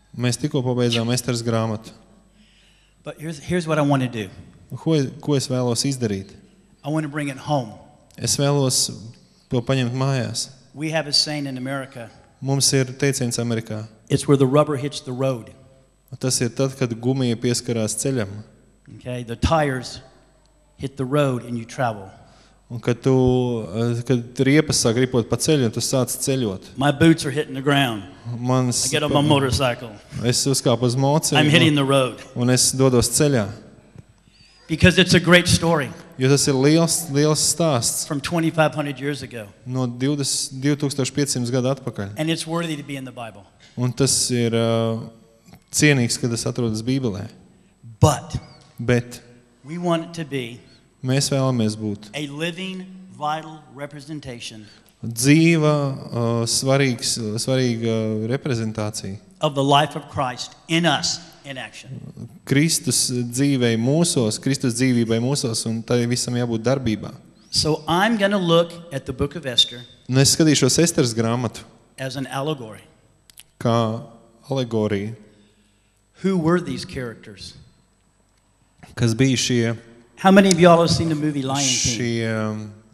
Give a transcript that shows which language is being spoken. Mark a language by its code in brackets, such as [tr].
[lv] Mēs tikko pabeidzām Esteras grāmatu. [en] But here's what I want to do. [lv] Ko es vēlos izdarīt? [en] I want to bring it home. [lv] Es vēlos to paņemt mājās. [en] We have a saying in America. [lv] Mums ir teiciens Amerikā. [en] It's where the rubber hits the road. [lv] Tas ir tad, kad gumija pieskarās ceļam. [en] Okay, the tires hit the road and you travel. [lv] Un kad riepas sāk ripot pa ceļu, tu sāc ceļot. [en] My boots are hitting the ground. [lv] Mans, [en] I get on my motorcycle. [lv] Es uzkāpu uz moci. [en] I'm hitting the road. [lv] Un es dodos ceļā. [en] Because it's a great story. [lv] Jo tas ir liels stāsts. [en] From 2500 years ago. [lv] No 2500 gadu atpakaļ. [en] And it's worthy to be in the Bible. [lv] Un tas ir cienīgs, kad tas atrodas Bībelē. [en] But [lv] bet [en] we want it to be [lv] Mēs vēlamies būt [en] a living, vital representation. [lv] Dzīva, svarīga reprezentācija. [en] Of the life of Christ in us. In action. [lv] Kristus dzīvei mūsos, Kristus dzīvībai mūsos, un tai visam jābūt darbībā. [en] So I'm going to look at the book of Esther. [lv] Un es skatīšos Esteras grāmatu. [en] As an allegory. [lv] Kā alegorija. [en] Who were these characters? [lv] Kas bija šie? [en] How many of y'all have seen the movie Lion King? [lv] Šie